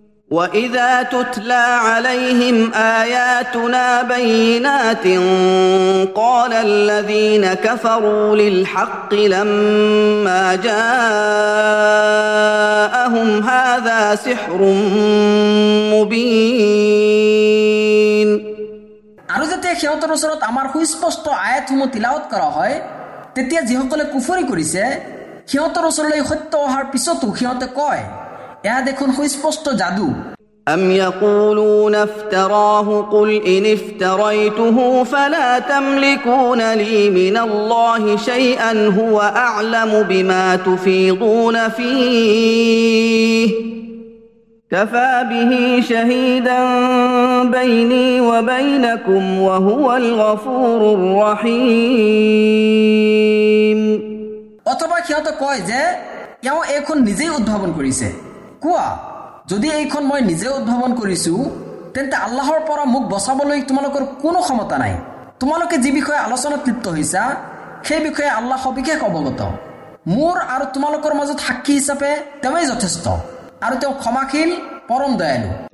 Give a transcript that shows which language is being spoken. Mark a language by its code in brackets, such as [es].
[ar] وَإِذَا تُتْلَى عَلَيْهِمْ آيَاتُنَا بَيِّنَاتٍ قَالَ الَّذِينَ كَفَرُوا لِلْحَقِّ لَمَّا جَاءَهُمْ هَذَا سِحْرٌ مُبِينٌ [as] আৰু যেতিয়া সিহঁতৰ ওচৰত আমাৰ সুস্পষ্ট আয়াতসমূহ তিলাৱত কৰা হয় তেতিয়া যিসকলে কুফৰি কৰিছে সিহঁতৰ ওচৰলৈ সত্য অহাৰ পিছতো সিহঁতে কয় এয়া দেখোন সুস্পষ্ট যাদু [ar] أم يقولون افتراه قل إن افتريته فلا تملكون لي من الله شيئا هو أعلم بما تفيضون فيه كفى به شهيدا بيني وبينكم وهو الغفور الرحيم [as] অথবা সিহঁত কয় যে তেওঁ এইখন নিজেই উদ্ভাৱন কৰিছে কোৱা যদি এইখন মই নিজে উদ্ভাৱন কৰিছো তেন্তে আল্লাহৰ পৰা মোক বচাবলৈ তোমালোকৰ কোনো ক্ষমতা নাই তোমালোকে যি বিষয়ে আলোচনাত লিপ্ত হৈছা সেই বিষয়ে আল্লাহ সবিশেষ অৱগত মোৰ আৰু তোমালোকৰ মাজত সাক্ষী হিচাপে তেওঁই যথেষ্ট আৰু তেওঁ ক্ষমাশীল পৰম দয়ালু